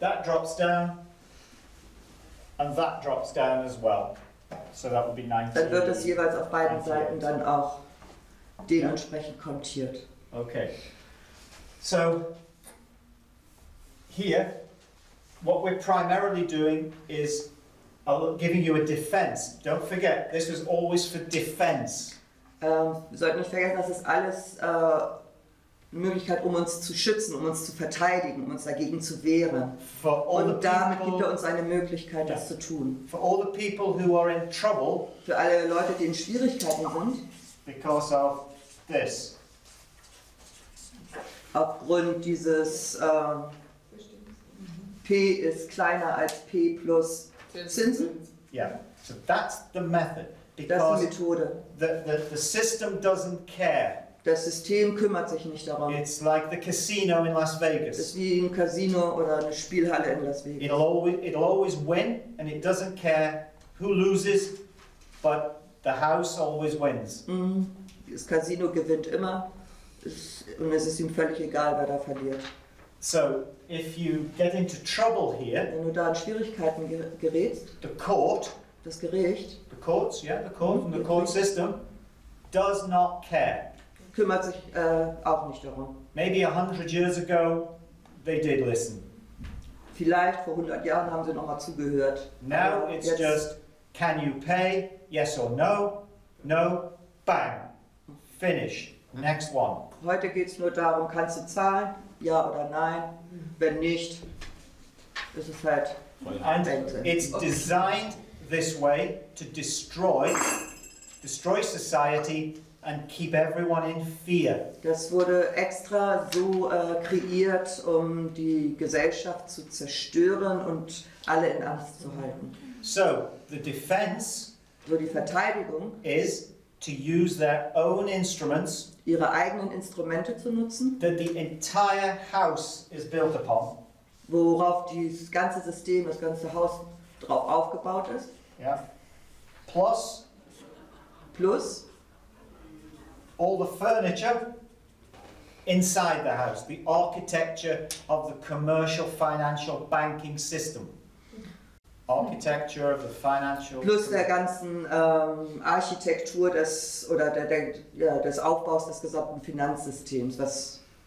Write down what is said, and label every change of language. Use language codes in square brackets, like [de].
[en] that drops down and that drops down as well. So that would be 19. [de] Dann wird das jeweils auf beiden Seiten dann auch dementsprechend kontiert. [en] Okay. So, here, what we're primarily doing is giving you a defense. Don't forget, this is always for defense. [de] Wir sollten nicht vergessen, das ist alles eine Möglichkeit, um uns zu schützen, um uns zu verteidigen, um uns dagegen zu wehren. [en] For all [de] und [en] the [de] damit [en] people, [de] gibt er uns eine Möglichkeit, das zu tun. [en] For all the people who are in trouble, [de] für alle Leute, die in Schwierigkeiten sind, [en] because of this. [de] Aufgrund dieses P ist kleiner als P plus Zinsen. [en] Yeah, so that's the method. [de] Because das ist die Methode. [en] The system doesn't care. [de] Das System kümmert sich nicht darum. [en] It's like the casino in Las Vegas. [de] Es ist wie ein Casino oder eine Spielhalle in Las Vegas. [en] It'll always win and it doesn't care who loses, but the house always wins. [de] Das Casino gewinnt immer und es ist ihm völlig egal, wer da verliert. [en] So, if you get into trouble here, [de] wenn du da in Schwierigkeiten gerätst, [en] the court, [de] das Gericht, [en] the courts, yeah, the court, and the court system, does not care. [de] Kümmert sich auch nicht darum. [en] Maybe 100 years ago, they did listen. [de] Vielleicht vor 100 Jahren haben sie noch mal zugehört. [en] Now it's just, can you pay? Yes or no? No? Bang. Finish. Next one. [de] Heute geht's nur darum, kannst du zahlen? Ja oder nein? Wenn nicht, ist es halt. [en] And it's designed this way to destroy society and keep everyone in fear. [de] Das wurde extra so kreiert, um die Gesellschaft zu zerstören und alle in Angst zu halten. [en] So the defense, [de] so die Verteidigung, [en] is to use their own instruments, [de] ihre eigenen Instrumente zu nutzen, [en] that the entire house is built upon, [de] worauf dieses ganze System, das ganze Haus drauf aufgebaut ist. [en] Yeah. Plus all the furniture inside the house, the architecture of the commercial financial banking system. Architecture of the financial. [de] Plus der ganzen Architektur des oder des Aufbaus des gesamten Finanzsystems, was